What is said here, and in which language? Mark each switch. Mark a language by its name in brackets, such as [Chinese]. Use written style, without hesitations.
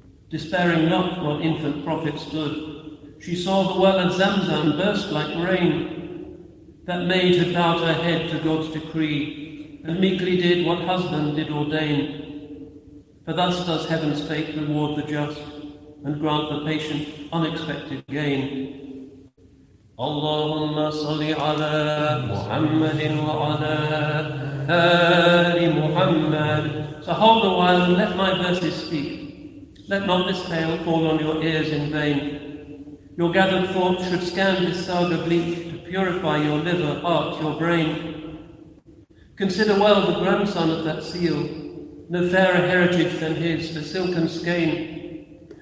[English] Despairing not while infant prophet stood, she saw the well at Zamzam burst like rain. That maid had bowed her head to God's decree and meekly did what husband did ordain. For thus does heaven's fate reward the just and grant the patient unexpected gain. [Arabic] اللهم صل على محمد وعلى آل محمد. [English] So hold a while and let my verses speak. Let not this tale fall on your ears in vain. Your gathered thoughts should scan this saga bleak to purify your liver, heart, your brain. Consider well the grandson of that seal, no fairer heritage than his, the silken skein.